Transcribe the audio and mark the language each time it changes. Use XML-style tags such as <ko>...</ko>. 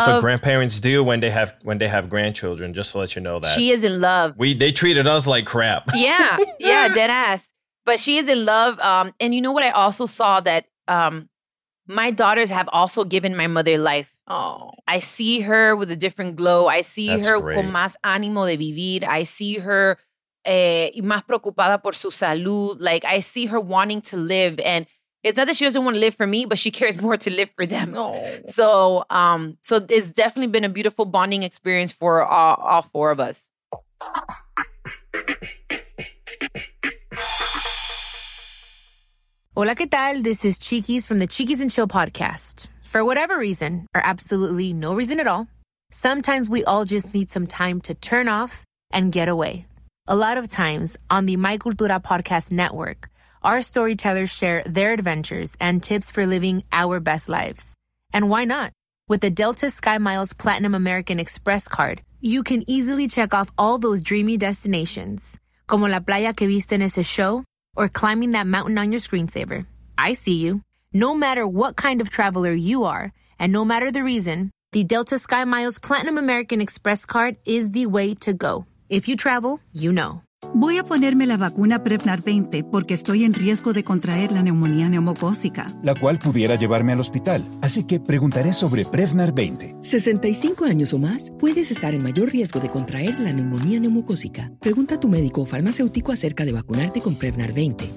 <en>That's what grandparents do when they have grandchildren, just to let you know that. She is in love. They treated us like crap. Yeah, yeah, dead ass. But she is in love. And you know what I also saw? That my daughters have also given my mother life. Oh, I see her with a different glow. I see That's her great.</en> <es>Con más ánimo de vivir.</es> <en>I see her</en> <es>más preocupada por su salud.</es> <en>Like, I see her wanting to live. And it's not that she doesn't want to live for me, but she cares more to live for them. Oh. So it's definitely been a beautiful bonding experience for all four of us.</en> <es>Hola, ¿qué tal?</es> <en>This is Cheekies from the Cheekies and Chill podcast. For whatever reason, or absolutely no reason at all, sometimes we all just need some time to turn off and get away. A lot of times on the My Cultura podcast network, our storytellers share their adventures and tips for living our best lives. And why not? With the Delta Sky Miles Platinum American Express card, you can easily check off all those dreamy destinations,</en> <es>como la playa que viste en ese show,</es> <en>or climbing that mountain on your screensaver. I see you. No matter what kind of traveler you are, and no matter the reason, the Delta Sky Miles Platinum American Express card is the way to go. If you travel, you know.</en> <es>Voy a ponerme la vacuna Prevnar 20 porque estoy en riesgo de contraer la neumonía neumocócica, la cual pudiera llevarme al hospital. Así que preguntaré sobre Prevnar 20. 65 años o más, puedes estar en mayor riesgo de contraer la neumonía neumocócica. Pregunta a tu médico o farmacéutico acerca de vacunarte con Prevnar 20.</es>